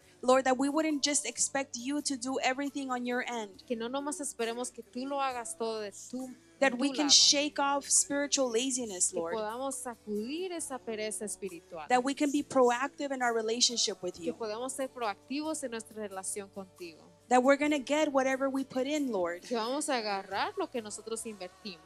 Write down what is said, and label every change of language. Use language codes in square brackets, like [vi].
[en] Lord, that we wouldn't just expect you to do everything on your end. [es] Que no nomás esperemos que tú lo hagas todo de tu [en] That we can shake off spiritual laziness, Lord. [es] Que podamos sacudir esa pereza espiritual. [en] That we can be proactive in our relationship with you. [es] Que podamos ser proactivos en nuestra relación contigo. [en] That we're going to get whatever we put in, Lord. [es] Que vamos a agarrar lo que nosotros invertimos.